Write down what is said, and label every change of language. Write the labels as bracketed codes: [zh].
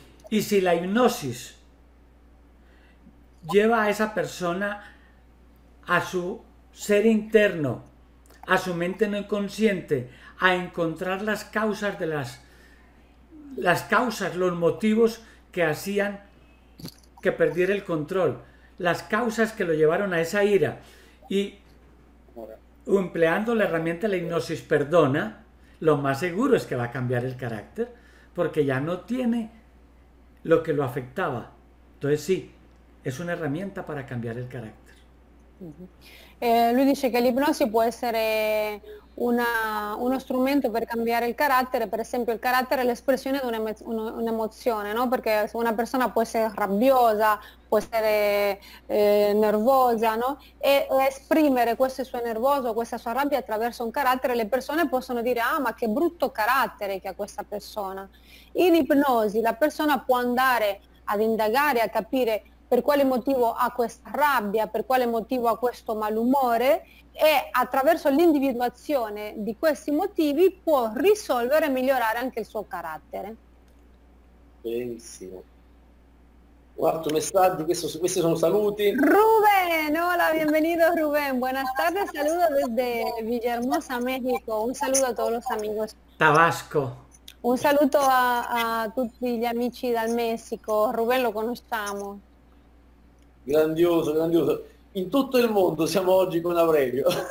[es] Y si la hipnosis lleva a esa persona a su ser interno, a su mente no inconsciente, a encontrar las causas de las causas, los motivos que hacían que perdiera el control, las causas que lo llevaron a esa ira, y empleando la herramienta de la hipnosis, perdona. Lo más seguro es que va a cambiar el carácter, porque ya no tiene lo que lo afectaba. Entonces sí, es una herramienta para cambiar el carácter. [it] Lui dice che l'ipnosi può essere uno strumento per cambiare il carattere, per esempio il carattere è l'espressione di un'emozione, no? Perché una persona può essere rabbiosa, può essere nervosa, no? E esprimere questo suo nervoso, questa sua rabbia attraverso un carattere, le persone possono dire ah ma che brutto carattere che ha questa persona. In ipnosi la persona può andare ad indagare, a capire per quale motivo ha questa rabbia, per quale motivo ha questo malumore, e attraverso l'individuazione di questi motivi può risolvere e migliorare anche il suo carattere. Benissimo. Quarto messaggio, questi sono saluti. [es] Rubén, hola, bienvenido Rubén. Buenas tardes, saludo desde Villahermosa, México. Un saludo a todos los amigos. Tabasco. [it] Un saluto a tutti gli amici dal Messico. Rubén lo conosciamo. Grandioso, grandioso. In tutto il mondo siamo oggi con Aurelio.